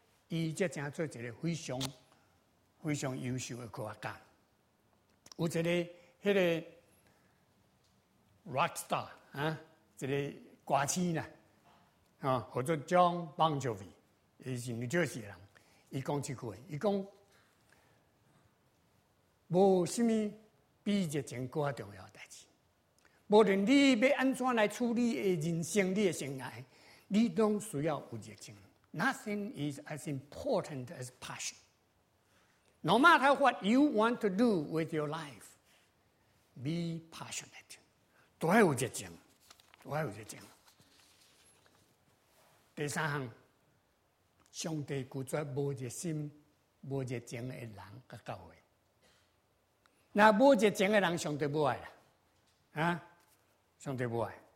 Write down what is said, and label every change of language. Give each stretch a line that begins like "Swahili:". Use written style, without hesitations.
Min Nan Chinese: 伊即正做一个非常非常优秀的科学家，有一个迄个 rock star 啊，一个歌星啦，啊，叫做 John Bon Jovi， 伊是纽约市人，伊讲一句，伊讲无什么比热情搁较重要代志，无论你要安怎来处理诶人生，你诶生涯，你拢需要有热情。
English: Nothing is as important as passion. No matter what you want to do with your life, be passionate.
Min Nan Chinese: 都要有热情，都要有热情。第三项，上帝拒绝无热心、无热情的人甲教会。那无热情的人，上帝不爱啦，啊，上帝不爱。